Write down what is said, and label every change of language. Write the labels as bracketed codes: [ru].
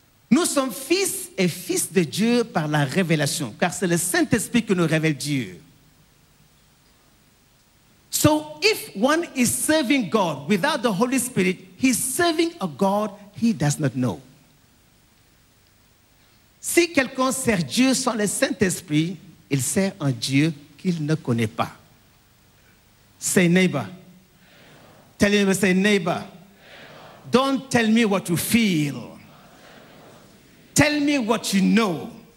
[fr] Nous sommes fils et fils de Dieu par la révélation, car c'est le Saint-Esprit qui nous révèle Dieu. [en] So if one is serving God without the Holy Spirit, he's serving a God he does not know. [fr] Si quelqu'un sert Dieu sans le Saint-Esprit, il sert un Dieu qu'il ne connaît pas. [en] Say neighbor. Tell him, say neighbor. Don't tell me what you feel. Tell me what you know.